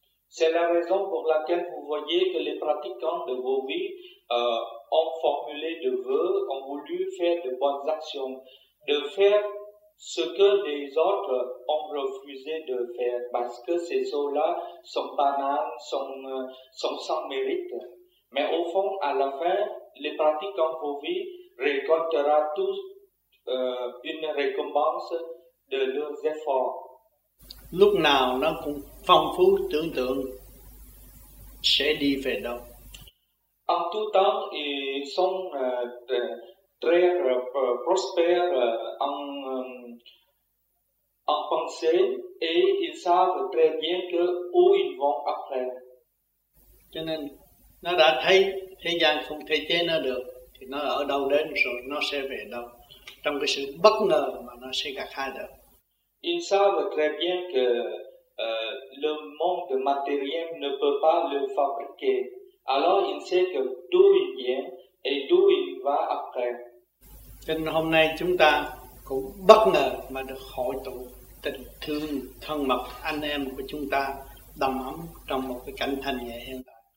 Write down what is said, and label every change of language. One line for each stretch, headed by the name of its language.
French: C'est la raison pour laquelle vous voyez que les pratiquants de vos vies ont formulé de vœux, ont voulu faire de bonnes actions, de faire ce que les autres ont refusé de faire, parce que ces choses-là sont banales, sont sans mérite. Mais au fond, à la fin, les pratiquants de vos vies récoltera tous une récompense de leurs efforts.
Vietnamese: Lúc nào nó cũng phong phú tưởng tượng sẽ đi về đâu.
French: En tout temps, ils sont très prospères en pensée et ils savent très bien que où ils vont après.
Vietnamese: Cho nên, nó đã thấy thế gian không thể chế nó được, thì nó ở đâu đến rồi nó sẽ về đâu. Trong cái sự bất ngờ mà nó sẽ gặt hái được.
French: Ils savent très bien que le monde matériel ne peut pas le fabriquer. Alors ils savent que d'où il vient et d'où il va après.
Vietnamese: Nên hôm nay chúng ta cũng bất ngờ mà được hội tụ tình thương thân mật anh em của chúng ta đầm ấm trong một cái cảnh thành nhẹ hiện tại.